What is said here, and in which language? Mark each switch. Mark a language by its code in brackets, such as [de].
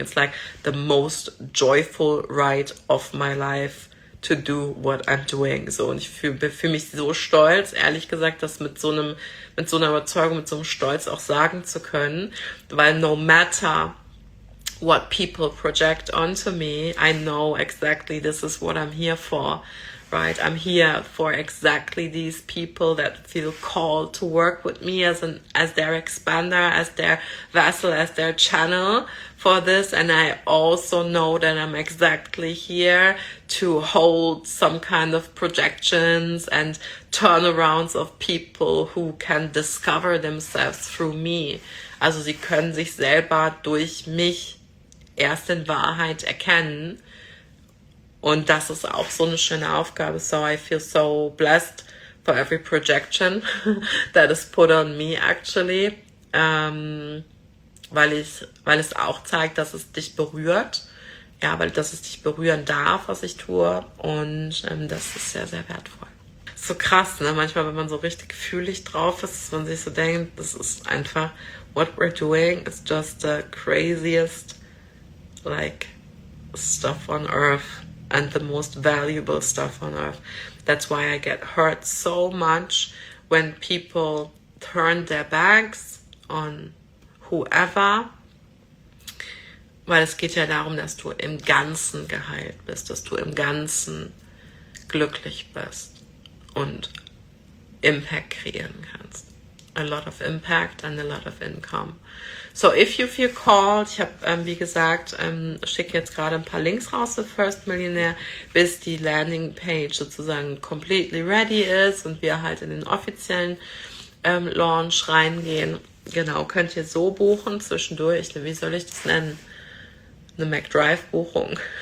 [en] It's like the most joyful ride of my life to do what I'm doing, so, [de] und ich fühle mich so stolz, ehrlich gesagt, das mit so einer Überzeugung, mit so einem Stolz auch sagen zu können, weil [en] no matter what people project onto me, I know exactly this is what I'm here for, right? I'm here for exactly these people that feel called to work with me as their expander, as their vessel, as their channel for this. And I also know that I'm exactly here to hold some kind of projections and turnarounds of people who can discover themselves through me. [de] Also sie können sich selber durch mich erst in Wahrheit erkennen. Und das ist auch so eine schöne Aufgabe. [en] So I feel so blessed for every projection that is put on me, actually. [de] Weil es auch zeigt, dass es dich berührt. Ja, weil dass es dich berühren darf, was ich tue. Und das ist sehr, sehr wertvoll. So krass, ne? Manchmal, wenn man so richtig fühlig drauf ist, dass man sich so denkt, das ist einfach, [en] what we're doing is just the craziest, like, stuff on earth. And the most valuable stuff on earth. That's why I get hurt so much when people turn their backs on whoever. [de] Weil es geht ja darum, dass du im Ganzen geheilt bist, dass du im Ganzen glücklich bist und Impact kreieren kannst. [en] A lot of impact and a lot of income. So if you feel called, [de] ich habe, wie gesagt, schicke jetzt gerade ein paar Links raus für First Millionaire, bis die Landingpage sozusagen [en] completely ready [de] ist und wir halt in den offiziellen Launch reingehen. Genau, könnt ihr so buchen zwischendurch, wie soll ich das nennen? Eine McDrive-Buchung.